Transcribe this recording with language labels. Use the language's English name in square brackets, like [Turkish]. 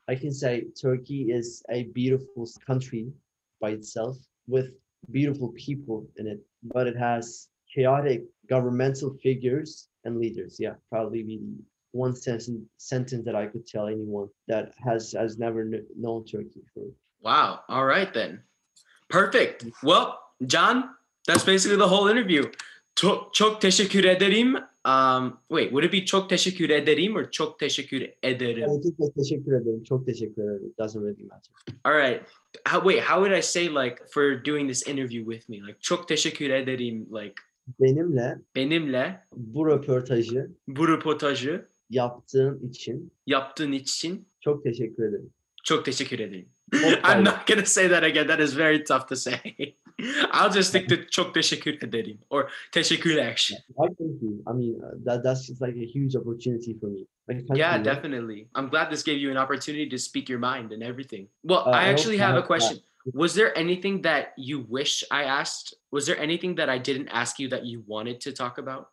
[English] I can say Turkey is a beautiful country by itself with beautiful people in it, but it has chaotic governmental figures and leaders. Yeah, probably be one sentence that I could tell anyone that has never known Turkey before. Wow. All right then. Perfect. Well, John, that's basically the whole interview. [Turkish] Çok teşekkür ederim. [English] Wait, would it be [Turkish] çok teşekkür ederim [English] or çok teşekkür ederim? [Turkish] Teşekkür ederim. Çok teşekkür ederim. [English] It doesn't really matter. All right. How would I say like for doing this interview with me? Like [Turkish] çok teşekkür ederim. [English] Like [Turkish] benimle bu röportajı yaptığın için çok teşekkür ederim. Çok teşekkür ederim. [English] I'm not going to say that again. That is very tough to say. I'll just stick to [Turkish] çok teşekkür ederim [English] or [Turkish] teşekkür ederim. [English] I thank you. I mean, that's just like a huge opportunity for me. Definitely. I'm glad this gave you an opportunity to speak your mind and everything. Well, I actually have a question. Was there anything that you wish I asked? Was there anything that I didn't ask you that you wanted to talk about?